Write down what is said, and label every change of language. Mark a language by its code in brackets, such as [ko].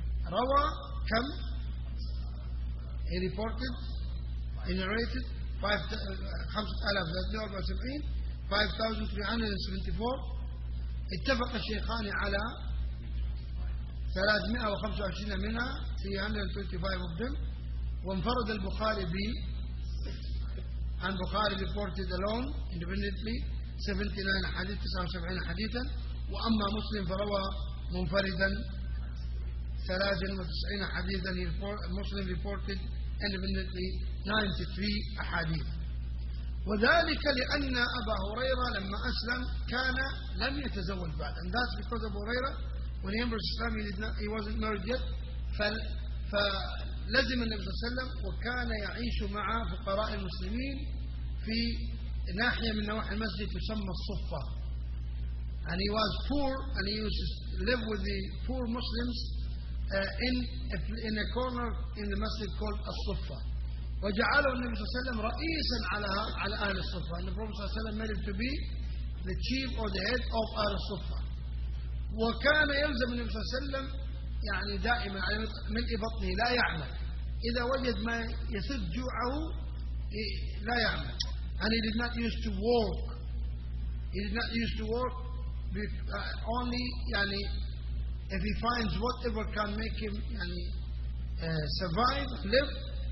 [ar] روى كم؟ [en] He reported, he narrated 5,374. [ar] اتفق الشيخان على 325 منها [en] 325 of them. [ar] وانفرد البخاري ب عن بخاري [en] reported alone independently [ar] 79 حديث 79 حديثا. وأما مسلم فروى منفردا 93 حديثا. [en] مسلم reported independently 93 أحاديث. [ar] وذلك لأن أبا هريرة لما أسلم كان لم يتزوج بعد. [en] And that's because of Huraira, when he embraced Islam he wasn't married yet. [ar] فلزم النبي صلى الله عليه وسلم وكان يعيش مع فقراء المسلمين في ناحية من نواحي المسجد تسمى الصفة. [en] and he was poor, and he used to live with the poor Muslims in a corner in the masjid called As-Suffa. [ar] وَجَعَلَهُ النَّبِي صلى الله عليه وسلم رَئِيسًا عَلَى أَهْلِ الصُّفَّةِ. [en] And the Prophet صلى الله عليه وسلم made him to be the chief or the head of أهل الصفة. [ar] وكان يلزم النبي صلى الله عليه وسلم يعني دائما على ملء بطنه لا يعمل. إذا وجد ما يسد جوعه لا يعمل. [en] And he did not used to work. He did not used to work only يعني if he finds whatever can make him يعني survive, live.